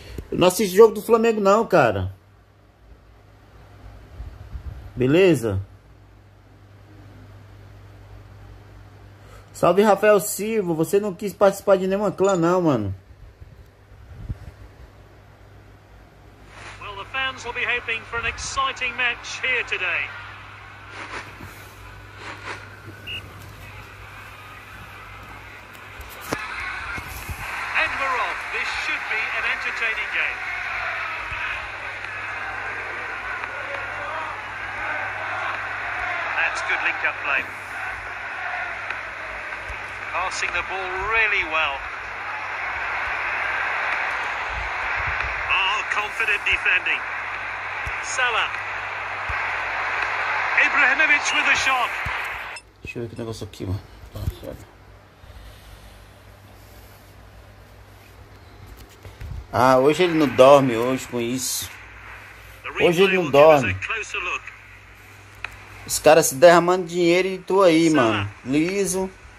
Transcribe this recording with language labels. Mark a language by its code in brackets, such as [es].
[pt] Eu não assisto o jogo do Flamengo não, cara. Beleza? Salve, Rafael Silva. Você não quis participar de nenhuma clã não, mano. [en] Will be hoping for an exciting match here today. And we're off. This should be an entertaining game. That's good link-up play. Passing the ball really well. Oh, confident defending. Salah. Ibrahimovic with a shot. [pt] Deixa eu ver que negócio aqui, mano. Ah, hoje ele não dorme hoje com isso. Hoje ele não dorme. Os caras se derramando dinheiro e tu aí, Salah. Mano. Liso.